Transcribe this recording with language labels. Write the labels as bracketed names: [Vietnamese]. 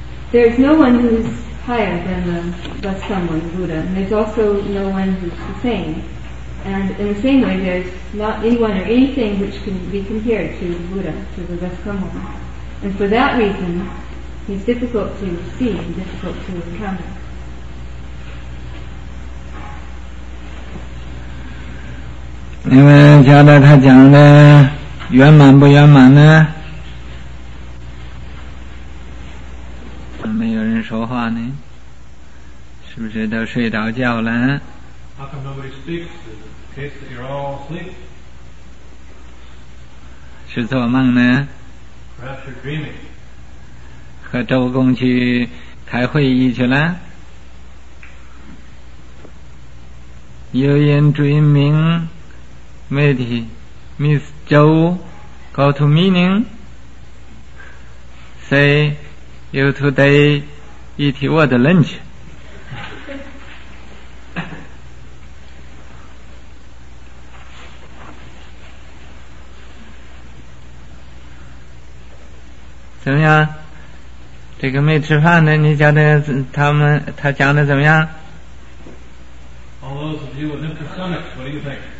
[English] There is no one who is higher than the someone, Buddha, and there is also no one who is the same. And in the same way, there is not anyone or anything which can be compared to Buddha, to the best someone. And for that reason, he is difficult to see and difficult to encounter. [Chinese] 你们觉得他讲的圆满不圆满呢？怎么没有人说话呢？是不是都睡着觉了？ [English] How come nobody speaks? Is it the case that you're all asleep? [Chinese] 是做梦呢？ [English] Perhaps you're dreaming. [Chinese] 和周公去开会议去了？有人 [English] dreaming? Maybe Miss Zhou go to meaning say you today eat what lunch? [Chinese] 怎么样？这个没吃饭的，你觉得他讲的怎么样？ [English] All those of you with empty stomachs, what do you think?